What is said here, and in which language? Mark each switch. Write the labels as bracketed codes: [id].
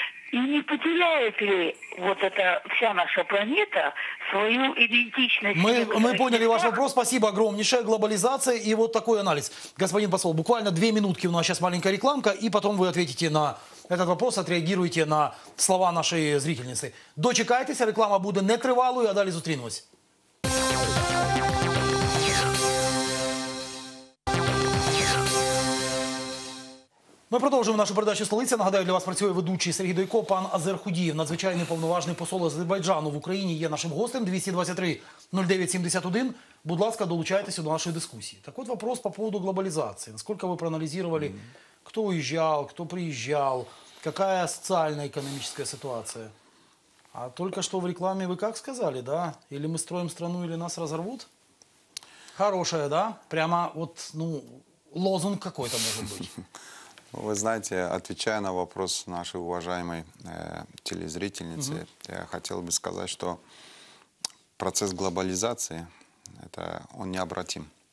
[ru] И не потеряет ли вот эта вся наша планета свою идентичность? Мы поняли ваш вопрос. Спасибо огромнейшее. Глобализация и вот такой анализ. Господин посол, буквально две минутки. У нас сейчас маленькая рекламка. И потом вы ответите на этот вопрос, отреагируете на слова нашей зрительницы. [uk] Дочекайтесь, реклама будет не тривалою, а далі зустрінемось. Ми продовжуємо нашу передачу «Столиця». Нагадаю, для вас працює ведучий Сергій Дойко, пан Азер Худієв, надзвичайний повноважний посол Азербайджану в Україні, є нашим гостем. 223-09-71. Будь ласка, долучайтеся до нашої дискусії. Так от, [ru] вопрос по поводу [uk] глобалізації. Наскільки ви проаналізували, хто уїжджав, хто приїжджав, яка соціальна економічна ситуація? А тільки що в рекламі ви як сказали, да? Или ми строїмо страну, или нас розорвуть? [ru] Хорошая, да? Прямо вот, ну, лозунг какой-то может быть. Вы знаете, отвечая на вопрос нашей уважаемой телезрительницы, я хотел бы сказать, что процесс глобализации, это он необратим.